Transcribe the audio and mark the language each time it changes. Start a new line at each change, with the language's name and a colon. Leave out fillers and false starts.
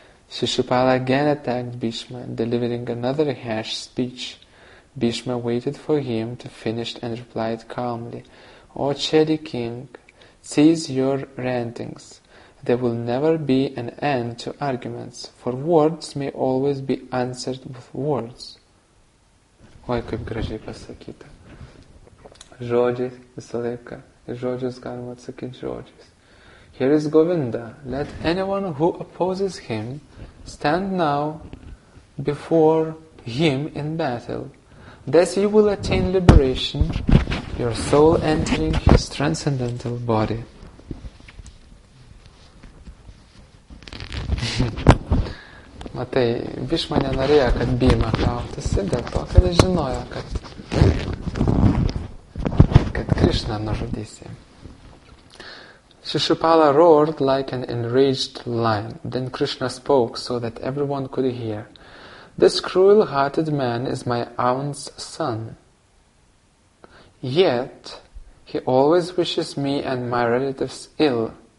English: Shishupala again attacked Bhishma, delivering another harsh speech. Bhishma waited for him to finish and replied calmly, O Chedi king, cease your rantings. There will never be an end to arguments, for words may always be answered with words.
Lithuanian: Oi, kaip gražiai pasakyta. Žodžiais visą laiką. Žodžius galima atsakyti žodžiais.
English: Here is Govinda. Let anyone who opposes him stand now before him in battle. Thus you will attain liberation, your soul entering his transcendental body.
Lithuanian: Matai, Bhishma nenorėjo, kad Bhima kautųsi, dėl to, kad jis žinojo, kad Krishna nužudysi.
English: Shishupala roared like an enraged lion. Then Krishna spoke so that everyone could hear. This cruel-hearted man is my aunt's son. Yet, he always wishes me and my relatives ill.